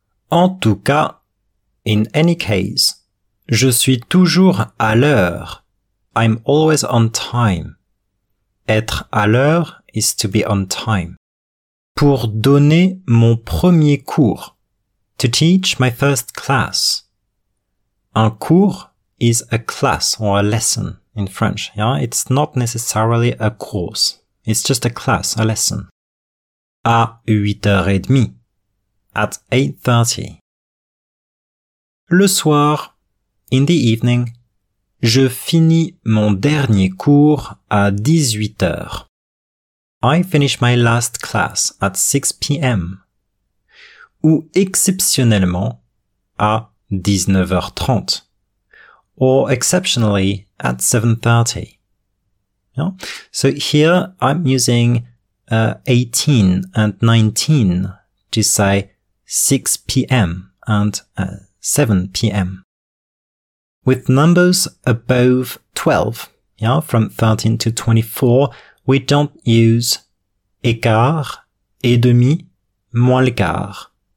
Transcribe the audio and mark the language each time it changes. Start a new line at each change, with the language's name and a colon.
French: En tout cas,
English: in any case,
French: je suis toujours à l'heure.
English: I'm always on time.
French: Être à l'heure
English: is to be on time.
French: Pour donner mon premier cours.
English: To teach my first class.
French: Un cours
English: is a class or a lesson in French. Yeah, it's not necessarily a course. It's just a class, a lesson.
French: À 8h30.
English: At 8:30.
French: Le soir.
English: In the evening.
French: Je finis mon dernier cours à 18h.
English: I finish my last class at 6 p.m.
French: Ou exceptionnellement à 19h30.
English: Or exceptionally at 7:30. Yeah? So here I'm using 18 and 19 to say 6 p.m. and 7 p.m. With numbers above 12, yeah, from 13 to 24, we don't use écart,
French: et demi, moins le quart.